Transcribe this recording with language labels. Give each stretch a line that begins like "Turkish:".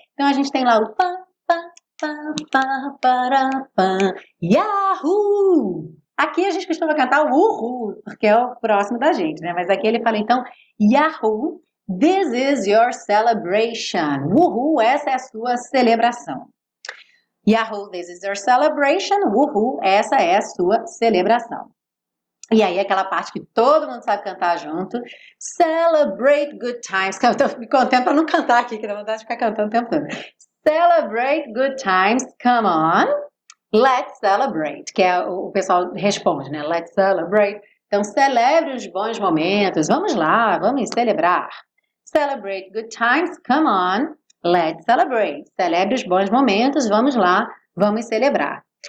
Portuguese: Então a gente tem lá o pam, pam, pam, pam, pam, Yahoo! Aqui a gente costuma cantar uhu, porque é o próximo da gente, né? Mas aqui ele fala então, Yahoo,
English: this is your celebration.
Portuguese: Uhu, essa é a sua celebração.
English: Yahoo, this is your celebration.
Portuguese: Uhu, essa é a sua celebração. E aí aquela parte que todo mundo sabe cantar junto.
English: Celebrate good times.
Portuguese: Eu tô me contendo para não cantar aqui, que dá vontade de ficar cantando o tempo todo.
English: Celebrate good times, come on. Let's celebrate,
Portuguese: que é o pessoal responde, né? Let's celebrate. Então, celebre os bons momentos. Vamos lá, vamos celebrar.
English: Celebrate good times, come on. Let's celebrate.
Portuguese: Celebre os bons momentos. Vamos lá, vamos celebrar.